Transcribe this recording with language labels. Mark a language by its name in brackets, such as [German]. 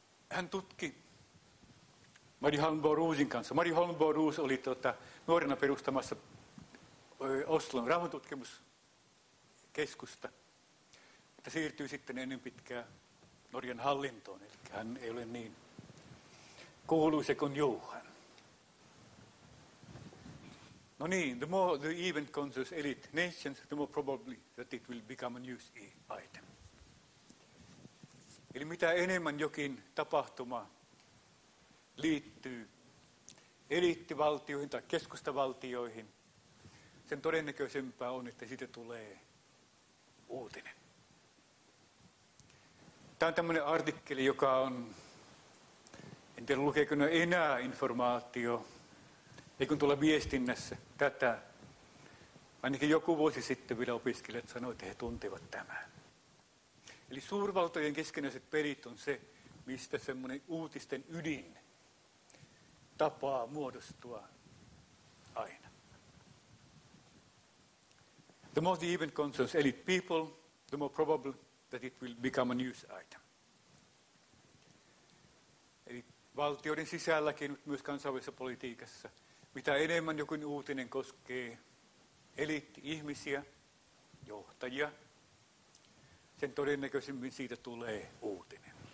[Finnish] Hän tutki Mari Holmboe-Roosin kanssa. Mari Holmboe-Roos oli nuorena perustamassa Oslon rauhantutkimuskeskusta, mutta siirtyy sitten ennen pitkää Norjan hallintoon, eli hän ei ole niin kuuluisa kuin Johan. No niin, [English] the more the event concerns elite nations, the more probably that it will become a news item. [Finnish] Eli mitä enemmän jokin tapahtuma liittyy eliittivaltioihin tai keskustavaltioihin, sen todennäköisempää on, että siitä tulee uutinen. Tämä on tämmöinen artikkeli, joka on, en tiedä lukeeko ne enää informaatio, ei kun tulla viestinnässä tätä. Ainakin joku vuosi sitten vielä opiskelijat sanoivat, että he tuntivat tämän. Eli suurvaltojen keskenäiset pelit on se, mistä semmoinen uutisten ydin tapaa muodostua aina. [English] The more the event concerns elite people, the more probable that it will become a news item. [Finnish] Eli valtioiden sisälläkin, mutta myös kansainvälisessä politiikassa, mitä enemmän jokin uutinen koskee eliitti-ihmisiä, johtajia, sen todennäköisemmin siitä tulee uutinen.